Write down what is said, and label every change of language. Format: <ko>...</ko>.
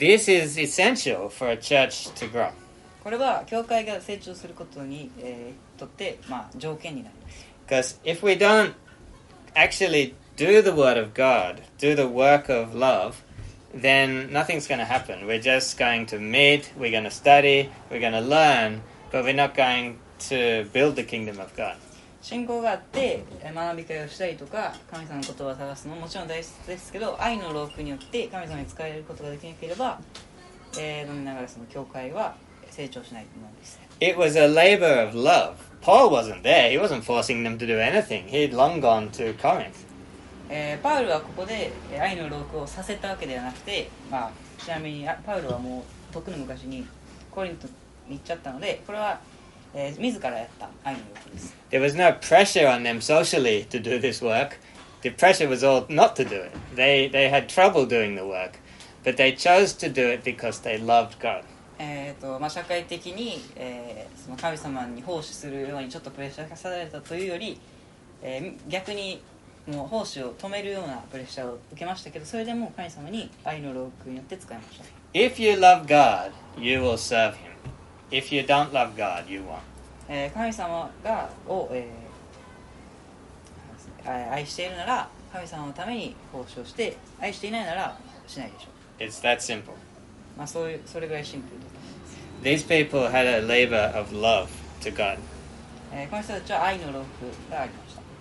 <en>This is essential for a church to grow.</en> <ja>これは教会が成長することに、とって、まあ、条件になります。</ja> <en>Because if we don't actually do the word of God, do the work of love, then nothing's going to happen. We're just going to meet, we're going to study, we're going to learn, but we're not going to build the kingdom of God.</en> <ja>信仰があって学び会をしたりとか神様の言葉を探すのももちろん大切ですけど愛の労苦によって神様に使えることができなければ、飲みながらその教会は成長しないと思うんです。</ja> <en>It was a labor of love. Paul wasn't there. He wasn't forcing them to do anything. He'd long gone to Corinth.</en> <ja>パウルはここで愛の労苦をさせたわけではなくて、まあ、ちなみにパウルはもうとっくの昔にコリントに行っちゃったので、これは自らやった愛の労苦です。</ja> <en>There was no pressure on them socially to do this work. The pressure was all not to do it. They had trouble doing the work, but they chose to do it because they loved God.</en> <ja>社会的に、その神様に奉仕するようにちょっとプレッシャーがかされたというより、逆にもう奉仕を止めるようなプレッシャーを受けましたけど、それでも神様に愛の労苦によって使いました。</ja> <en>If you love God, you will serve Him. If you don't love God, you won't.</en> <ja>神様がを、愛しているなら神様のために奉仕をして、愛していないならしないでしょう。</ja> <en>It's that simple.</en> <ja>まあ、それぐらいシンプルです。</ja> <en>These people had a labor of love to God.</en> <ja>この人たちは愛の労苦がありました。</ja>